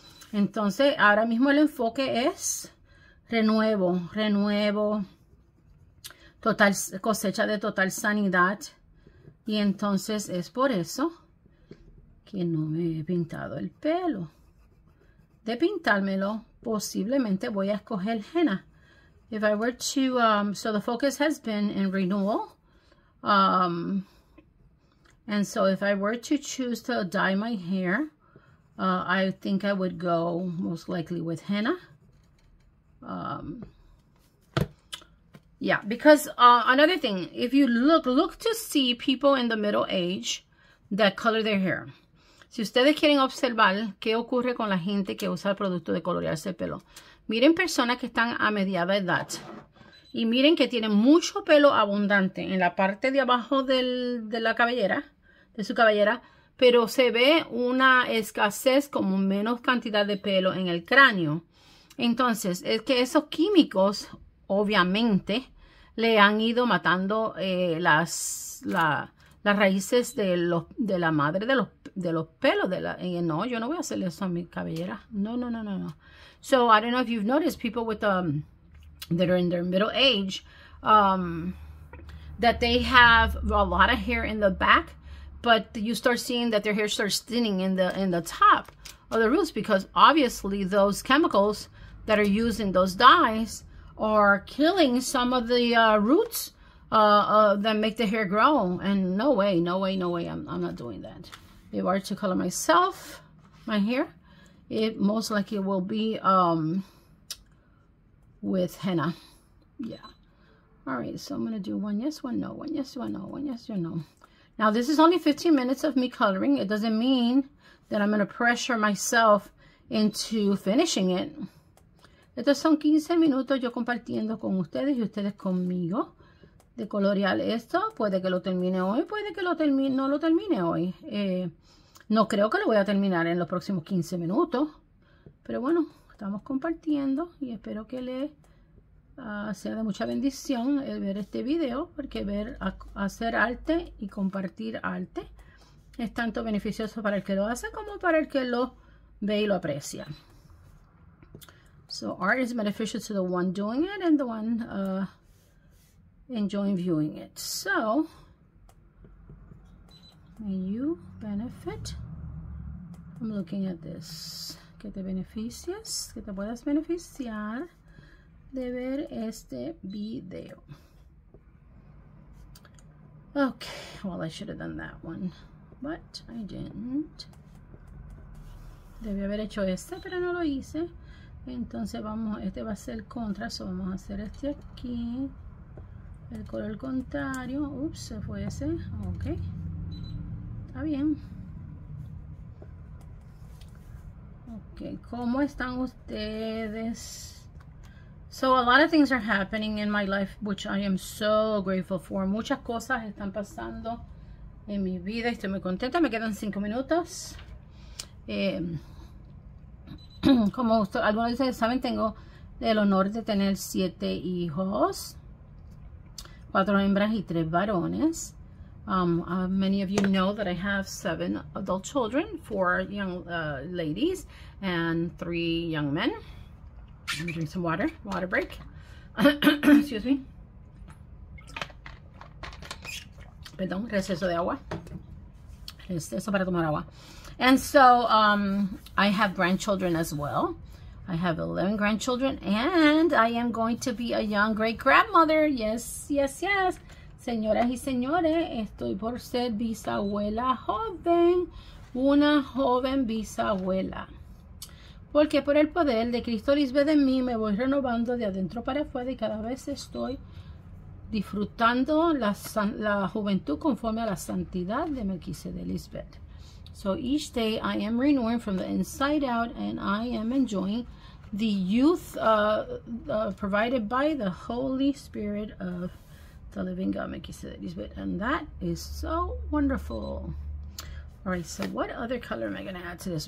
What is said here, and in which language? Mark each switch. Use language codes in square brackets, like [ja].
[es] Entonces, ahora mismo el enfoque es renuevo, total cosecha de total sanidad. Y entonces es por eso que no me he pintado el pelo. De pintármelo, posiblemente voy a escoger henna. [en] If I were to, so the focus has been in renewal. And so if I were to choose to dye my hair, I think I would go most likely with henna. Yeah, because another thing, if you look to see people in the middle age that color their hair. [es] Si ustedes quieren observar qué ocurre con la gente que usa el producto de colorearse el pelo, miren personas que están a mediada edad y miren que tienen mucho pelo abundante en la parte de abajo de su cabellera, pero se ve una escasez, como menos cantidad de pelo en el cráneo. Entonces, es que esos químicos, obviamente, le han ido matando las raíces de la madre de los pelos no, yo no voy a hacerle eso a mi cabellera. No. [en] So I don't know if you've noticed people with that are in their middle age, that they have a lot of hair in the back, but you start seeing that their hair starts thinning in the top of the roots, because obviously those chemicals that are used in those dyes are killing some of the roots that make the hair grow. And no way, I'm not doing that. If I were to color myself my hair, it most likely will be with henna. Yeah. All right, so I'm gonna do one yes, one no, one yes, one no, one yes, one no. Now this is only 15 minutes of me coloring. It doesn't mean that I'm gonna pressure myself into finishing it. [es] Estos son 15 minutos yo compartiendo con ustedes y ustedes conmigo. De colorear esto, puede que lo termine hoy, puede que no lo termine hoy. No creo que lo voy a terminar en los próximos 15 minutos. Pero bueno, estamos compartiendo y espero que le sea de mucha bendición el ver este video, porque hacer arte y compartir arte es tanto beneficioso para el que lo hace como para el que lo ve y lo aprecia. [en] So art is beneficial to the one doing it and the one enjoying viewing it. So, may you benefit from looking at this. [es] Que te beneficies, que te puedas beneficiar de ver este video. [en] Okay, well, I should have done that one, but I didn't. [es] Debí haber hecho este, pero no lo hice. Entonces, este va a ser contra, so vamos a hacer este aquí. El color contrario. Ups, se fue ese. Ok. Está bien. [en] Okay, [es] ¿cómo están ustedes? [en] So a lot of things are happening in my life, which I am so grateful for. [es] Muchas cosas están pasando en mi vida. Estoy muy contenta. Me quedan 5 minutos. Como usted, algunos de ustedes saben, tengo el honor de tener 7 hijos, 4 hembras y 3 varones. [en] Many of you know that I have 7 adult children, 4 young ladies, and 3 young men. Let me drink some water. Water break. Excuse me. [es] Perdón, receso de agua. Receso para tomar agua. [en] And so I have grandchildren as well. I have 11 grandchildren, and I am going to be a young great grandmother. Yes. [es] Señoras y señores, estoy por ser bisabuela joven, una joven bisabuela. Porque por el poder de Cristo Lisbeth en mí me voy renovando de adentro para afuera y cada vez estoy disfrutando la juventud conforme a la santidad de Melquisedec de Lisbeth. [en] So each day I am renewing from the inside out and I am enjoying the youth provided by the Holy Spirit of the living God, Melquisedec Lisbeth, and that is so wonderful. All right, so what other color am I going to add to this?